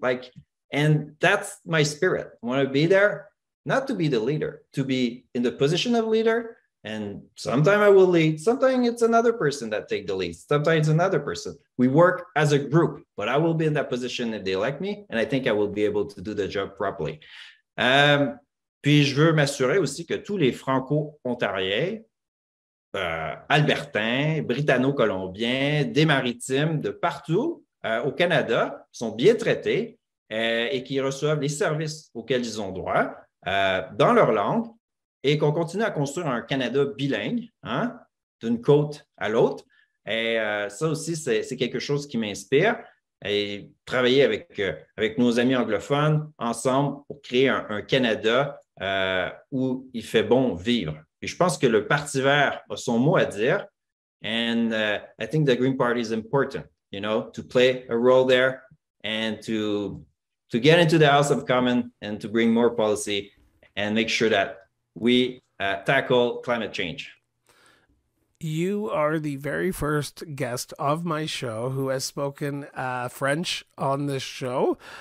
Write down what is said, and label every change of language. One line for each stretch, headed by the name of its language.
English: Like, and that's my spirit. I want to be there, not to be the leader, to be in the position of leader. And sometime I will lead. Sometimes it's another person that take the lead. Sometimes it's another person. We work as a group, but I will be in that position if they elect me. And I think I will be able to do the job properly.
French: Puis je veux m'assurer aussi que tous les Franco-Ontariens, Albertains, Britanno-Colombiens, des Maritimes, de partout au Canada, sont bien traités et qui reçoivent les services auxquels ils ont droit dans leur langue, et qu'on continue à construire un Canada bilingue, hein, d'une côte à l'autre. Et ça aussi, c'est quelque chose qui m'inspire. Et travailler avec nos amis anglophones ensemble pour créer un Canada où il fait bon vivre. Et je pense que le Parti vert a son mot à dire.
English: And I think the Green Party is important, you know, to play a role there and to get into the House of Commons and to bring more policy and make sure that we tackle climate change. You are the very first guest of my show who has spoken French on this show.